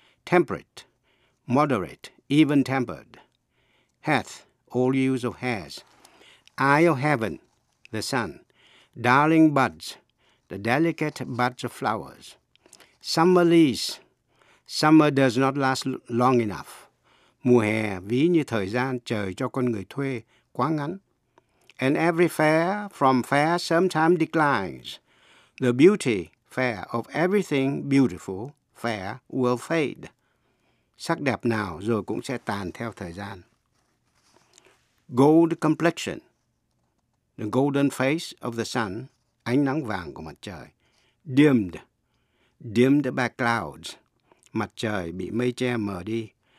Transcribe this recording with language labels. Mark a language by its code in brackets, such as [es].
[en] Temperate, moderate, even-tempered. Hath, all use of has. Eye of heaven, the sun. Darling buds, the delicate buds of flowers. Summer leaves, summer does not last long enough. [vi] Mùa hè ví như thời gian trời cho con người thuê quá ngắn. [en] And every fair from fair sometime declines. The beauty, fair, of everything beautiful, fair, will fade. [vi] Sắc đẹp nào rồi cũng sẽ tàn theo thời gian. [en] Gold complexion, the golden face of the sun, [vi] ánh nắng vàng của mặt trời. [en] Dimmed, dimmed by clouds, [vi] mặt trời bị mây che mờ đi.